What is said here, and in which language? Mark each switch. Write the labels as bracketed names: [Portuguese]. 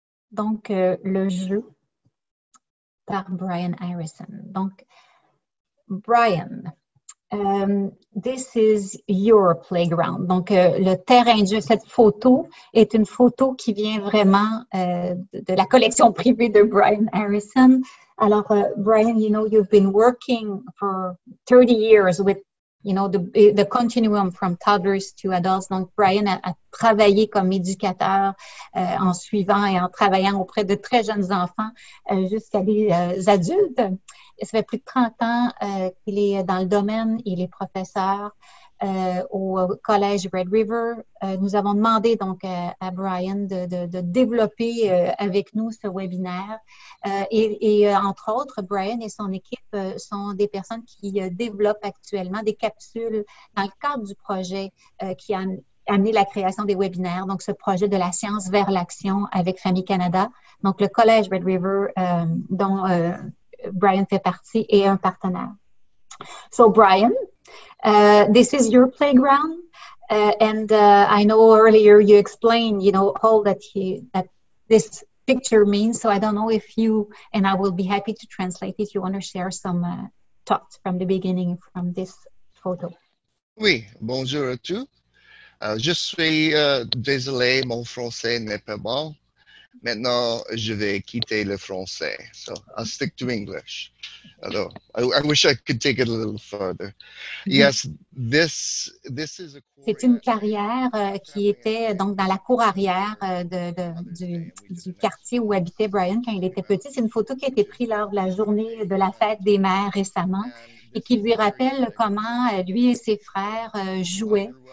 [French] Donc, le jeu par Brian Harrison. [English] Donc, Brian. This is your playground. [French] Donc, le terrain de jeu, cette photo est une photo qui vient vraiment de la collection privée de Brian Harrison. [English] Alors, Brian, you know, you've been working for 30 years with, you know, the continuum from toddlers to adults. [French] Donc, Brian a travaillé comme éducateur en suivant et en travaillant auprès de très jeunes enfants jusqu'à des adultes. Ça fait plus de 30 ans qu'il est dans le domaine. Il est professeur au collège Red River. Nous avons demandé donc à Brian de développer avec nous ce webinaire. Et entre autres, Brian et son équipe sont des personnes qui développent actuellement des capsules dans le cadre du projet qui a amené la création des webinaires, donc ce projet de la science vers l'action avec Famille Canada. Donc, le collège Red River dont Brian fait partie et un partenaire. [English] So, Brian, this is your playground. And I know earlier you explained, you know, all that this picture means. So, I don't know if you, and I will be happy to translate if you want to share some thoughts from the beginning from this photo. [French] Oui, bonjour à tous. Je suis désolé, mon français n'est pas bon. Maintenant, je vais quitter le français. [English] So, I'll stick to English. Although, I wish I could take it a little further. Yes, this is a quarry. [French] C'est une carrière qui était donc dans la cour arrière du quartier où habitait Brian quand il était petit. C'est une photo qui a été prise lors de la journée de la fête des mères récemment et qui lui rappelle comment lui et ses frères jouaient.